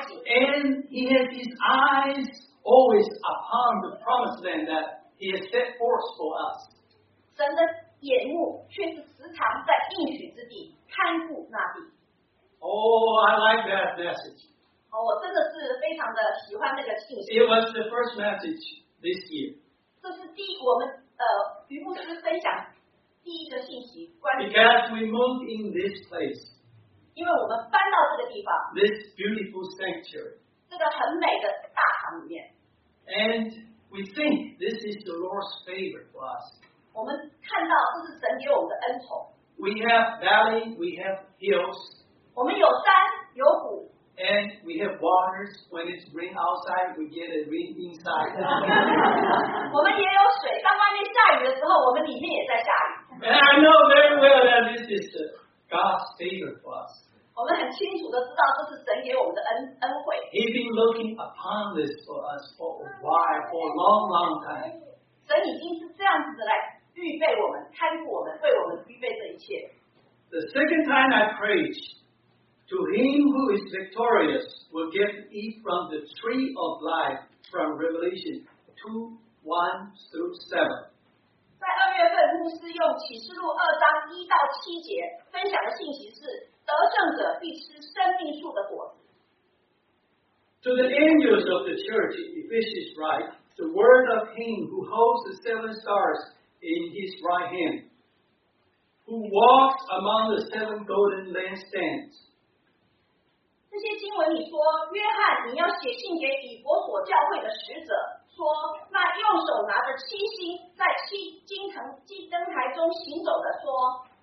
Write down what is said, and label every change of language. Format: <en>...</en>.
<en>And he has his eyes always upon the promised land that he has set forth for us.</en> <zh>神的眼目却是时常在应许之地看顾那地。</zh> <en>Oh, I like that message.</en> <zh>哦，我真的是非常的喜欢这个信息。</zh> <en>It was the first message this year.</en> <zh>这是第一我们余牧师分享第一个信息关于。</zh> <en>Because we moved in this place.</en> <zh>因为我们搬到这个地方</zh> <en>this beautiful sanctuary,</en> <zh>这个很美的大堂里面</zh> <en>and we think this is the Lord's favor for us.</en> <zh>我们看到这是神给我们的恩宠</zh> <en>We have valley, we have hills.</en> <zh>我们有山有谷</zh> <en>and we have waters. When it's rain outside, we get a rain inside.</en> <zh>我们也有水当外面下雨的时候我们里面也在下雨</zh> <en>And I know very well that this is theGod's favor for us.</en> <zh>我们很清楚的知道这是神给我们的恩惠。</zh> <en>He's been looking upon this for us for a while, for a long, long time.</en> <zh>神已经是这样子的来预备我们，看顾我们，为我们预备这一切。</zh> <en>The second time I preached, to him who is victorious will give eat from the tree of life from Revelation 2:1-7.</en> <zh>在二月份，牧师用启示录二章一到七节分享的信息是：得胜者必吃生命树的果子。</zh> <en>To the angels of the church, Ephesians write, the word of him who holds the seven stars in his right hand, who walks among the seven golden lampstands.</en> <zh>这些经文你说，约翰，你要写信给以弗所教会的使者。说那右手拿着七星在七金城金灯台中行走的说</zh>